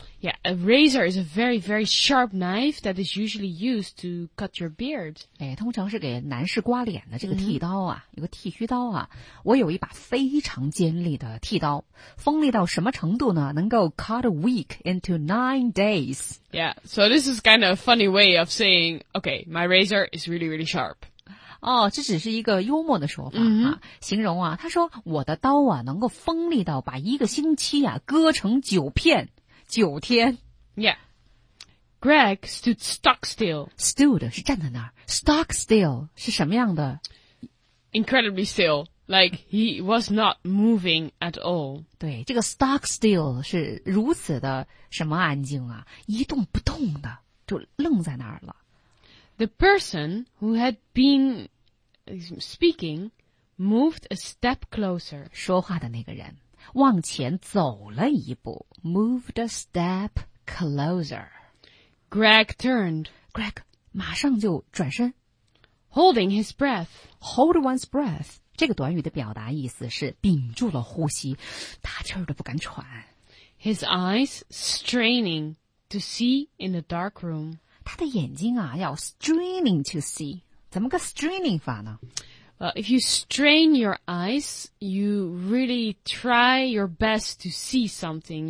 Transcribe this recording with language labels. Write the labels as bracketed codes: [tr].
[en] Yeah, a razor is a very, very sharp knife that is usually used to cut your beard. [zh] 哎，通常是给男士刮脸的这个剃刀啊，有个剃须刀啊。我有一把非常尖利的剃刀，锋利到什么程度呢？能够 [en] cut a week into 9 days. Yeah, so this is kind of a funny way of saying, okay, my razor is really, really sharp. [zh] 哦，这只是一个幽默的说法、mm-hmm. 啊，形容啊，他说我的刀啊能够锋利到把一个星期啊割成九片。九天 [en] ，Yeah. Greg stood stock still. [zh] Stood 是站在那儿 ， [en] stock still [zh] 是什么样的 [en] ？Incredibly still, like he was not moving at all. [zh] 对，这个 [en] stock still [zh] 是如此的什么安静啊，一动不动的就愣在那儿了。 [en] The person who had been speaking moved a step closer. [zh] 说话的那个人。往前走了一步 ， [en] moved a step closer. Greg turned. [zh] Greg 马上就转身 [en] ，holding his breath. Hold one's breath. [zh] 这个短语的表达意思是屏住了呼吸，大气儿都不敢喘。 [en] His eyes straining to see in the dark room. [zh] 他的眼睛啊，要 [en] straining to see. [zh] 怎么个 straining 法呢？ [en] If you strain your eyes, you really try your best to see something.